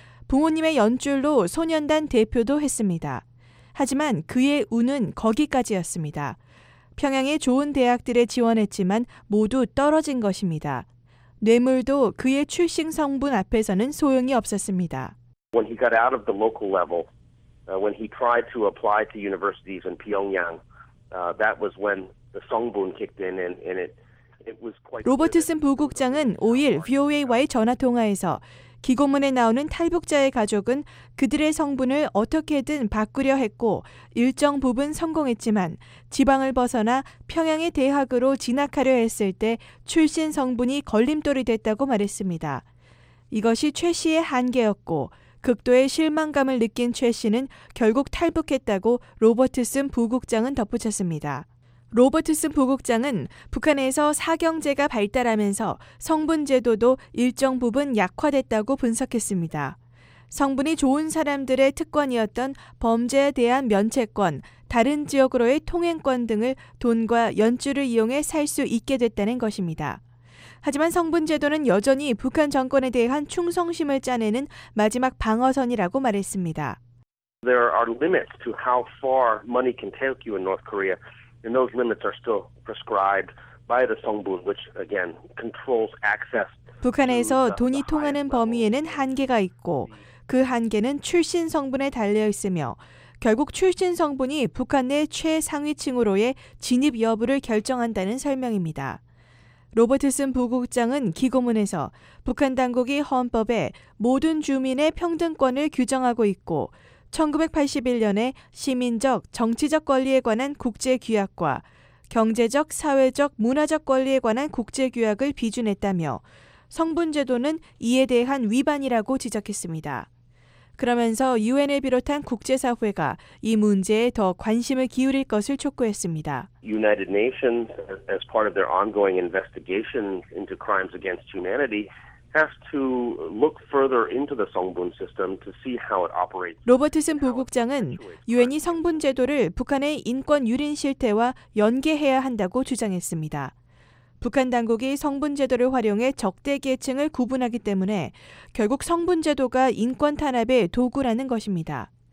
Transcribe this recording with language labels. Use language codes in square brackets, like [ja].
[ko] 부모님의 연줄로 소년단 대표도 했습니다. 하지만 그의 운은 거기까지였습니다. 평양의 좋은 대학들에 지원했지만 모두 떨어진 것입니다. 뇌물도 그의 출신 성분 앞에서는 소용이 없었습니다. [en] When he got out of the local level, when he tried to apply to universities in Pyongyang, that was when the Songbun kicked in and it was quite. [ko] 로버트슨 부국장은 5일 VOA와의 전화 통화에서 기고문에 나오는 탈북자의 가족은 그들의 성분을 어떻게든 바꾸려 했고 일정 부분 성공했지만 지방을 벗어나 평양의 대학으로 진학하려 했을 때 출신 성분이 걸림돌이 됐다고 말했습니다. 이것이 최 씨의 한계였고 극도의 실망감을 느낀 최 씨는 결국 탈북했다고 로버트슨 부국장은 덧붙였습니다. 로버트슨 부국장은 북한에서 사경제가 발달하면서 성분 제도도 일정 부분 약화됐다고 분석했습니다. 성분이 좋은 사람들의 특권이었던 범죄에 대한 면책권, 다른 지역으로의 통행권 등을 돈과 연줄을 이용해 살 수 있게 됐다는 것입니다. 하지만 성분 제도는 여전히 북한 정권에 대한 충성심을 짜내는 마지막 방어선이라고 말했습니다. [en] There are limits to how far money can take you in North Korea. And those limits are still prescribed by the Songbun, which again controls access. [ko] 북한에서 돈이 통하는 범위에는 한계가 있고 그 한계는 출신 성분에 달려 있으며 결국 출신 성분이 북한 내 최상위층으로의 진입 여부를 결정한다는 설명입니다. 로버트슨 부국장은 기고문에서 북한 당국이 헌법에 모든 주민의 평등권을 규정하고 있고 1981년에 시민적, 정치적 권리에 관한 국제규약과 경제적, 사회적, 문화적 권리에 관한 국제규약을 비준했다며 성분 제도는 이에 대한 위반이라고 지적했습니다. 그러면서 UN을 비롯한 국제사회가 이 문제에 더 관심을 기울일 것을 촉구했습니다. [en] United Nations, as part of their ongoing investigation into crimes against humanity, has to look further into the Songbun system to see how it operates. [ko] 로버트슨 부국장은 UN이 성분 제도를 북한의 인권 유린 실태와 연계해야 한다고 주장했습니다. 북한 당국이 성분 제도를 활용해 적대 계층을 구분하기 때문에 결국 성분 제도가 인권 탄압의 도구라는 것입니다.